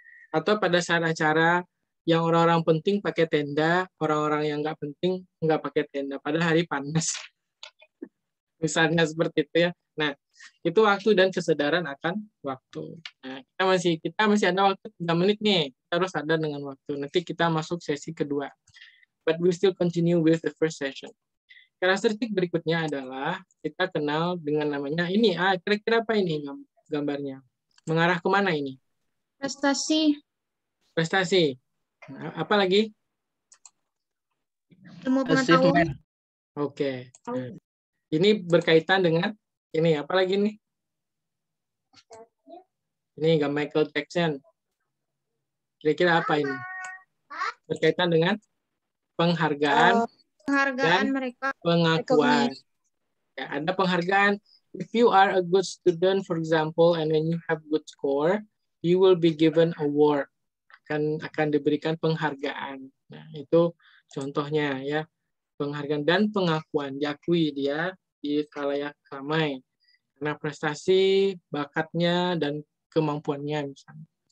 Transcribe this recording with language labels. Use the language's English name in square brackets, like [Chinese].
[Indonesian] Atau pada saat acara yang orang-orang penting pakai tenda, orang-orang yang nggak penting nggak pakai tenda. Padahal hari panas. Misalnya seperti itu, ya. Nah, itu waktu dan kesadaran akan waktu. Nah, kita masih ada waktu 3 menit nih. Kita harus sadar dengan waktu. Nanti kita masuk sesi kedua. [English] But we still continue with the first session. [Indonesian] Karakteristik berikutnya adalah kita kenal dengan namanya ini. Kira-kira apa ini gambarnya? Mengarah ke mana ini? Prestasi. Nah, apa lagi? Ilmu pengetahuan. Oke. Okay. Ini berkaitan dengan ini, apa lagi nih? Ini gak Michael Jackson. Kira-kira apa ini? Berkaitan dengan penghargaan. Penghargaan dan mereka. Pengakuan. Ya, ada penghargaan. [English] If you are a good student, for example, and when you have good score, you will be given award. [Indonesian] Akan diberikan penghargaan. Nah, itu contohnya, ya. Penghargaan dan pengakuan. Diakui dia di khalayak ramai. Karena prestasi, bakatnya, dan kemampuannya, misalnya.